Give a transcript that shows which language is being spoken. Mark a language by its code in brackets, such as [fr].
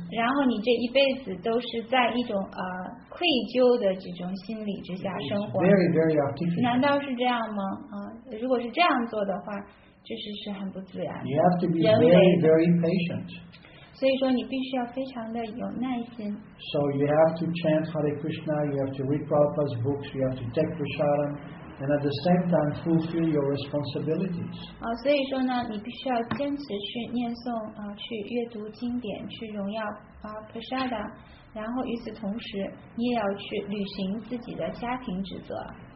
[zh] 然后你这一辈子都是在一种, 愧疚的这种心理之下生活。 [en] Very, very artificial. [zh] 难道是这样吗? 如果是这样做的话, 这是很不自然的。 [en] You have to be very, very patient. [zh] 所以说你必须要非常的有耐心。 [en] So you have to chant Hare Krishna, you have to read Prabhupada's books, you have to take prasadam. And at the same time, fulfill your responsibilities. [zh] 所以说呢，你必须要坚持去念诵， 去阅读经典，去荣耀， Prasada， 然后与此同时，你也要去履行自己的家庭职责。